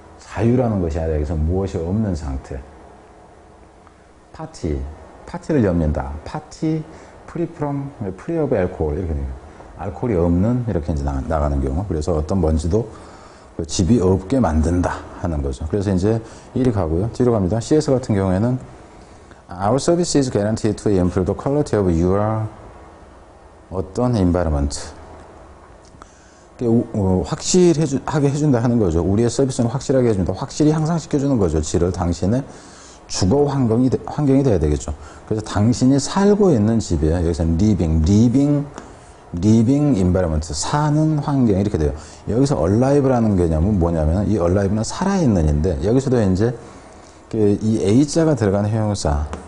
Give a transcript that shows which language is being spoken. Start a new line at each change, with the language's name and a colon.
Korean: 자유라는 것이 아니라 여기서 무엇이 없는 상태. 파티. 파티를 엽니다. 파티, 프리 프롬, 프리 오브 알코올. 이렇게 돼요. 알코올이 없는, 이렇게 이제 나가는 경우. 그래서 어떤 먼지도 그 집이 없게 만든다 하는 거죠. 그래서 이제 이리 가고요. 뒤로 갑니다. CS 같은 경우에는
English: Our service is guaranteed to improve the quality of your
Korean: 어떤
English: environment.
Korean: 확실하게 해준다 하는 거죠. 우리의 서비스는 확실하게 해준다. 확실히 향상시켜주는 거죠. 질을 당신의 주거 환경이 돼야 되겠죠. 그래서 당신이 살고 있는 집이에요. 여기서는
English: living environment.
Korean: 사는 환경. 이렇게 돼요. 여기서 alive라는 개념은 뭐냐면, 이 alive는 살아있는인데, 여기서도 이제 이 A자가 들어간 형용사.